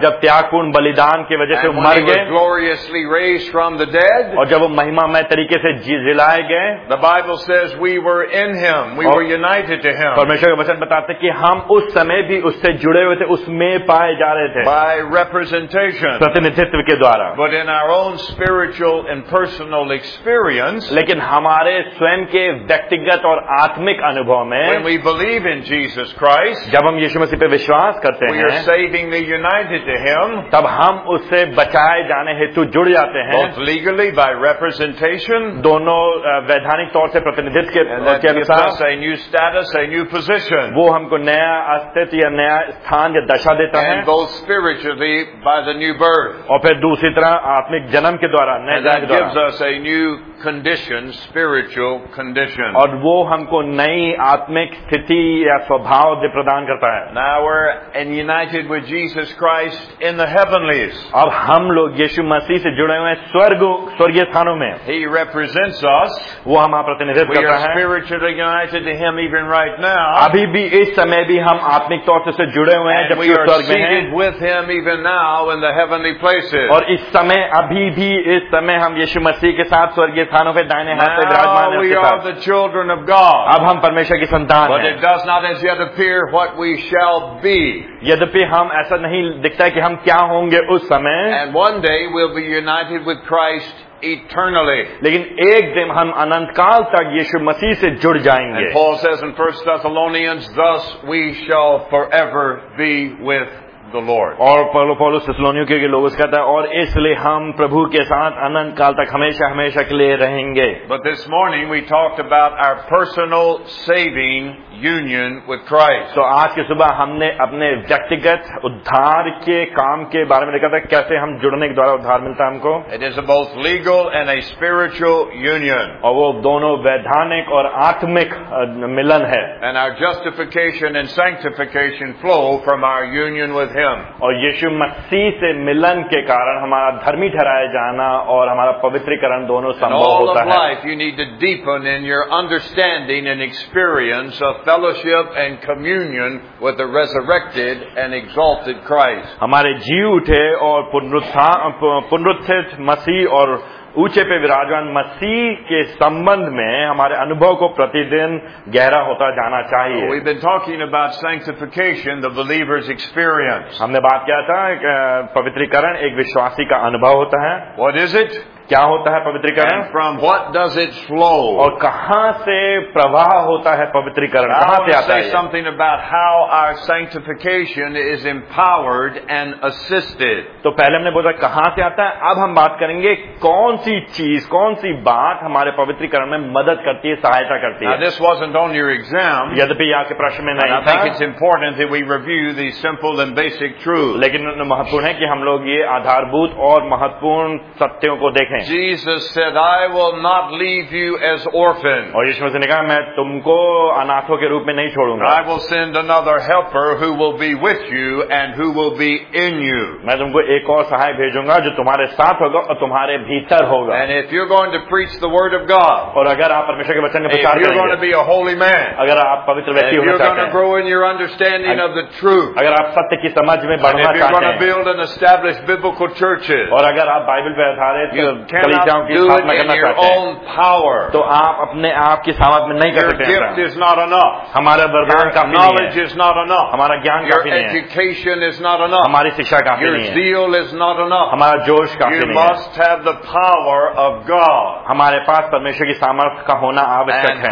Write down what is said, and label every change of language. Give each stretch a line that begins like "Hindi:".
Hindi: जब त्यागपूर्ण बलिदान की वजह से मर गए.
English: And he gloriously raised from the dead.
Hindi: और जब वो महिमामय तरीके से जिलाए गए.
English: The Bible says we were in him. We were united to him.
Hindi: परमेश्वर के वचन बताते कि हम उस समय भी उससे जुड़े हुए थे, उसमें पाए जा रहे थे.
English: By representation.
Hindi: प्रतिनिधित्व के द्वारा.
English: But in our own spiritual and personal experience.
Hindi: लेकिन हमारे स्वयं के व्यक्तिगत और आत्मिक अनुभव में,
English: when we believe in Jesus Christ,
Hindi: जब हम यीशु मसीह पर विश्वास करते हैं,
English: we are savingly united to him,
Hindi: तब हम उससे बचाए जाने हेतु जुड़ जाते हैं,
English: both legally by representation,
Hindi: दोनों वैधानिक तौर से प्रतिनिधित्व के अनुसार,
English: a new status, a new position,
Hindi: वो हमको नया अस्तित्व या नया स्थान या दशा देता है,
English: and both spiritually by the new birth,
Hindi: और फिर दूसरी तरह आत्मिक जन्म के द्वारा, नए जन्म के द्वारा,
English: and that gives us a new condition, spiritual condition.
Hindi: और वो हमको नई आत्मिक स्थिति या स्वभाव प्रदान करता है.
English: Now we're united with Jesus Christ in the heavenlies.
Hindi: अब हम लोग यीशु मसीह से जुड़े हुए हैं स्वर्गीय स्थानों में.
English: He represents us.
Hindi: वो हमारा प्रतिनिधित्व करता है.
English: We are spiritually united to him even right now.
Hindi: अभी भी इस समय भी हम आत्मिक तौर से जुड़े हुए हैं जबकि स्वर्ग में हैं. We are seated with him even now in the heavenly places. और इस समय अभी भी इस समय हम यीशु मसीह के साथ स्वर्गीय स्थानों पर दाहिने हाथ पर विराजमान हैं.
English: We are the children of God.
Hindi: अब हम परमेश्वर की संतान हैं.
English: But it does not as yet appear what we shall be.
Hindi: यद्यपि हम ऐसा नहीं दिखता कि हम क्या होंगे उस समय.
English: And one day we'll be united with Christ eternally.
Hindi: लेकिन एक दिन हम अनंत काल तक यीशु मसीह से जुड़ जाएंगे.
English: And Paul says in 1 Thessalonians, thus we shall forever be with the Lord.
Hindi: और पौलुस थिस्सलुनीकियों के लोगों से कहता है, और इसलिए हम प्रभु के साथ अनंत काल तक हमेशा हमेशा के लिए रहेंगे.
English: But this morning we talked about our personal saving union with Christ.
Hindi: So आज की सुबह हमने अपने व्यक्तिगत उद्धार के काम के बारे में देखा था, कैसे हम जुड़ने के द्वारा उद्धार मिलता है हमको.
English: It is a both legal and a spiritual union.
Hindi: और वो दोनों वैधानिक और आत्मिक मिलन है.
English: And our justification and sanctification flow from our union with him.
Hindi: और यीशु मसीह से मिलन के कारण हमारा धर्मी ठहराया जाना और हमारा पवित्रीकरण दोनों संभव होता है.
English: In all of life you need to deepen in your understanding and experience of fellowship and communion with the resurrected and exalted Christ.
Hindi: हमारे जी उठे और पुनरुत्थित मसीह और ऊंचे पे विराजमान मसीह के संबंध में हमारे अनुभव को प्रतिदिन गहरा होता जाना चाहिए.
English: We've been talking about sanctification, the believer's experience.
Hindi: हमने बात किया था पवित्रीकरण एक विश्वासी का अनुभव होता है.
English: What is it?
Hindi: क्या होता है पवित्रीकरण? From what does it flow? और कहां से प्रवाह होता है पवित्रीकरण? कहां से आता है?
English: Say something about how our sanctification is empowered and assisted.
Hindi: तो पहले हमने बोला कहां से आता है, अब हम बात करेंगे कौन सी चीज, कौन सी बात हमारे पवित्रीकरण में मदद करती है, सहायता करती है.
English: Now this wasn't on your exam.
Hindi: यद्यपि आपके प्रश्न में नहीं था.
English: I think it's important that we review these simple and basic truths.
Hindi: लेकिन महत्वपूर्ण है कि हम लोग ये आधारभूत और महत्वपूर्ण सत्यों को देखें. हैं.
English: Jesus said, I will not leave you as orphans.
Hindi: और यीशु मसीह ने कहा, मैं तुमको अनाथों के रूप में नहीं छोड़ूंगा.
English: I will send another helper who will be with you and who will be in you.
Hindi: मैं तुमको एक और सहायक भेजूंगा जो तुम्हारे साथ होगा और तुम्हारे भीतर होगा.
English: And if you're going to preach the word of God,
Hindi: और अगर आप परमेश्वर के वचन का प्रचार करेंगे,
English: if you're going to be a holy man,
Hindi: अगर आप पवित्र व्यक्ति होना चाहते हैं,
English: if you're going to grow in your understanding of the truth,
Hindi: अगर आप सत्य की समझ में बढ़ना चाहते हैं,
English: if you're going to build and establish biblical churches,
Hindi: और अगर आप बाइबल पर आधारित कलीसियाओं की स्थापना करना चाहते हैं, तो आप अपने आप की सामर्थ्य में नहीं कर सकते.
English: Gift is not enough.
Hindi: हमारा वरदान काफी नहीं है.
English: Knowledge is not enough.
Hindi: हमारा ज्ञान काफी नहीं है.
English: Education is not enough.
Hindi: हमारी शिक्षा काफी नहीं है.
English: Zeal is not enough.
Hindi: हमारा जोश काफी नहीं है.
English: You must have the power of God.
Hindi: हमारे पास परमेश्वर की सामर्थ्य का होना आवश्यक है.